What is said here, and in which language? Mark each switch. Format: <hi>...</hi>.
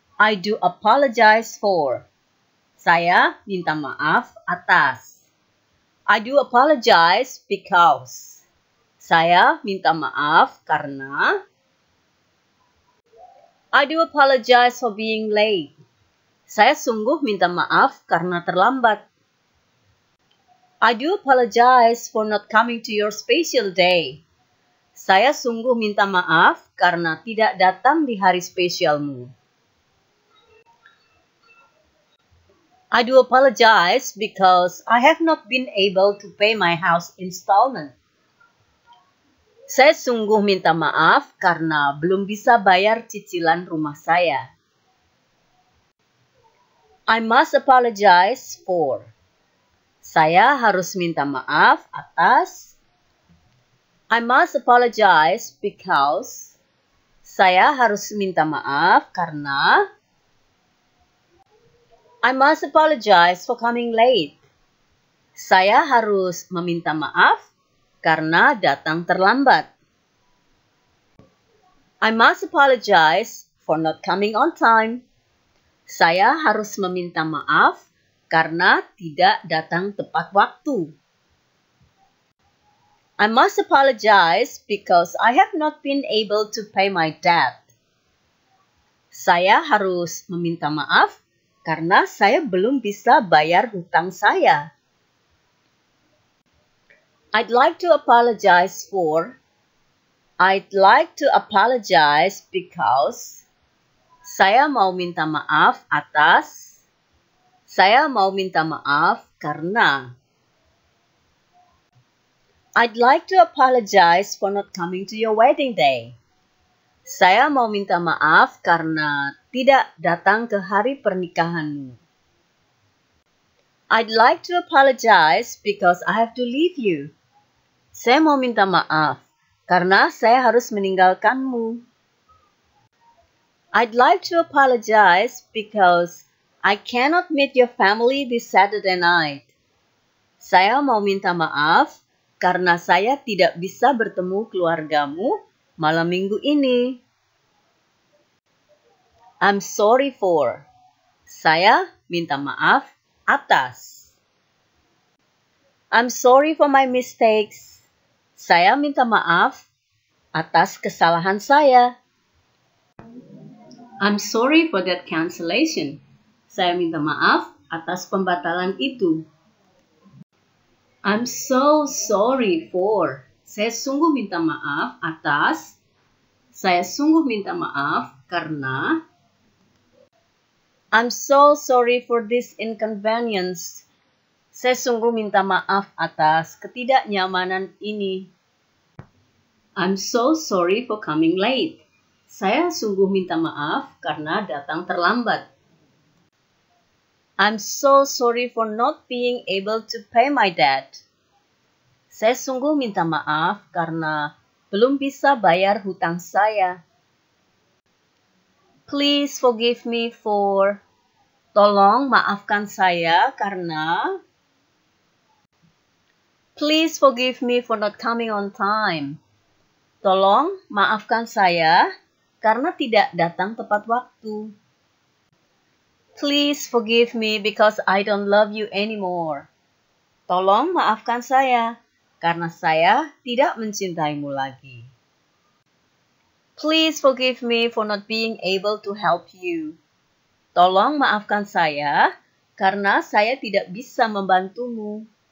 <en>I do apologize for.</en> <id>Saya minta maaf atas.</id> <en>I do apologize because.</en> <id>Saya minta maaf karena.</id> <en>I do apologize for being late.</en> <id>Saya sungguh minta maaf karena terlambat.</id> <en>I do apologize for not coming to your special day.</en> <id>Saya sungguh minta maaf karena tidak datang di hari spesialmu.</id> <en>I do apologize because I have not been able to pay my house installment.</en> <id>Saya sungguh minta maaf karena belum bisa bayar cicilan rumah saya.</id> <en>I must apologize for.</en> <id>Saya harus minta maaf atas.</id> <en>I must apologize because.</en> <id>Saya harus minta maaf karena.</id> <en>I must apologize for coming late.</en> <id>Saya harus meminta maaf karena datang terlambat.</id> <en>I must apologize for not coming on time.</en> <id>Saya harus meminta maaf karena tidak datang tepat waktu.</id> <en>I must apologize because I have not been able to pay my debt.</en> <id>Saya harus meminta maaf karena saya belum bisa bayar hutang saya.</id> <en>I'd like to apologize because.</en> <id>Saya mau minta maaf atas. Saya mau minta maaf karena.</id> <en>I'd like to apologize for not coming to your wedding day.</en> <id>Saya mau minta maaf karena tidak datang ke hari pernikahanmu.</id> <en>I'd like to apologize because I have to leave you.</en> <id>Saya mau minta maaf karena saya harus meninggalkanmu.</id> <en>I'd like to apologize because I cannot meet your family this Saturday night.</en> <id>Saya mau minta maaf karena saya tidak bisa bertemu keluargamu malam minggu ini.</id> <en>I'm sorry for.</en> <id>Saya minta maaf atas.</id> <en>I'm sorry for my mistakes.</en> <id>Saya minta maaf atas kesalahan saya.</id> <en>I'm sorry for that cancellation.</en> <id>Saya minta maaf atas pembatalan itu.</id> <en>I'm so sorry for.</en> <id>Saya sungguh minta maaf atas. Saya sungguh minta maaf karena.</id> <en>I'm so sorry for this inconvenience.</en> <id>Saya sungguh minta maaf atas ketidaknyamanan ini.</id> <en>I'm so sorry for coming late.</en> <id>Saya sungguh minta maaf karena datang terlambat.</id> <en>I'm so sorry for not being able to pay my debt.</en> <id>Saya sungguh minta maaf karena belum bisa bayar hutang saya.</id> <en>Please forgive me for.</en> <id>Tolong maafkan saya karena.</id> <en>Please forgive me for not coming on time.</en> <id>Tolong maafkan saya karena tidak datang tepat waktu.</id> <en>Please forgive me because I don't love you anymore.</en> <id>Tolong maafkan saya karena saya tidak mencintaimu lagi.</id> <en>Please forgive me for not being able to help you.</en> <id>Tolong maafkan saya karena saya tidak bisa membantumu.</id>